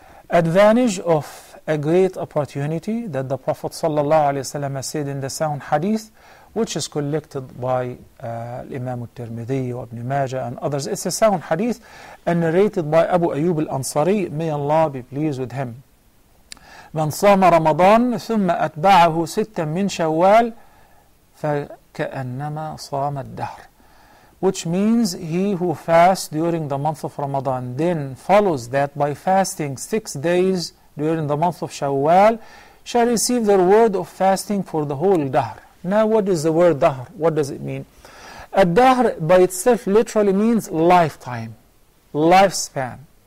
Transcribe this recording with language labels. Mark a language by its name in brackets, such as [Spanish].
[English] Advantage of a great opportunity that the Prophet sallallahu alaihi wasallam said in the sound hadith, which is collected by Imam al-Tirmidhi, Ibn Majah, and others. It's a sound hadith and narrated by Abu Ayyub al-Ansari. May Allah be pleased with him. [Arabic] من صام رمضان ثم أتبعه ستا من شوال فكأنما صام الدهر. [English] Which means he who fasts during the month of Ramadan then follows that by fasting 6 days during the month of Shawwal shall receive the reward of fasting for the whole dahr. Now, what is the word dahr? What does it mean? A dahr by itself literally means lifetime, lifespan.